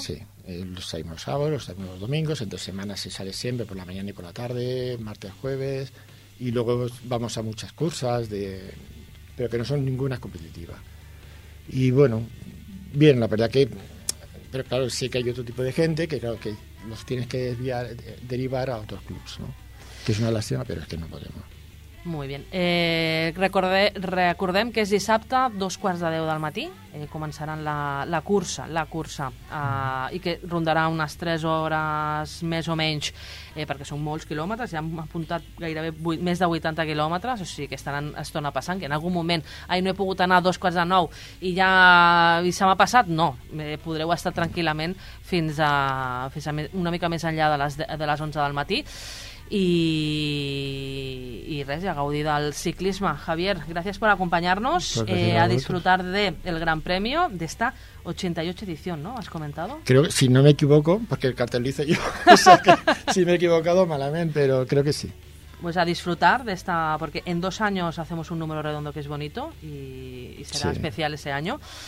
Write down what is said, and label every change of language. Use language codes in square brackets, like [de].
[es] Sí, los salimos los sábados, los salimos los domingos, entre semanas se sale siempre por la mañana y por la tarde, martes, jueves, y luego vamos a muchas cursas, pero que no son ninguna competitiva. Y bueno... Bien, la verdad que... Pero claro, sé que hay otro tipo de gente que claro que los tienes que derivar a otros clubs, ¿no? Que es una lástima, pero es que no podemos. Muy bien. [ca] Recordem que és dissabte, 9:45 del matí, començaran la cursa, i que rondarà unes 3 hores més o menys, perquè són molts quilòmetres, ja hem apuntat gairebé més de 80 quilòmetres, o sigui que estaran estona passant, que en algun moment ahir no he pogut anar a 9:45 i se m'ha passat, no, podreu estar tranquil·lament fins a una mica més enllà de les 11 del matí. [es] Y res, ya gaudí del ciclismo. Javier, gracias por acompañarnos, a disfrutar del Gran Premio de esta 88 edición, ¿no? ¿Has comentado? Creo que, si no me equivoco, porque el cartel dice yo, o sea que, si me he equivocado, malamente, pero creo que sí. Pues a disfrutar de esta, porque en 2 años hacemos un número redondo que es bonito y será especial ese año.